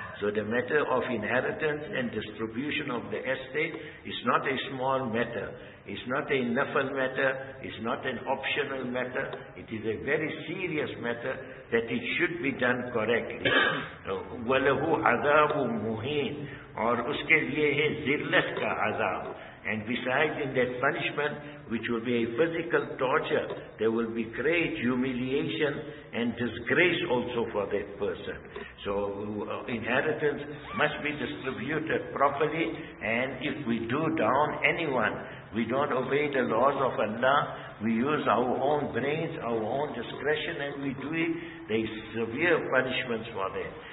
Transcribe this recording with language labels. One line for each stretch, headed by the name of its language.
English: So the matter of inheritance and distribution of the estate is not a small matter. It's not a nafal matter. It's not an optional matter. It is a very serious matter that it should be done correctly.
Arabic: وَلَهُ عَذَابٌ مُهِينٌ.
Urdu: اور اس کے لیے ہے ذلت کا عذاب.
English: And besides, in that punishment, which will be a physical torture. There will be great humiliation and disgrace also for that person. So inheritance must be distributed properly, and if we do down anyone, we don't obey the laws of Allah, we use our own brains, our own discretion, and we do it, there is severe punishments for that.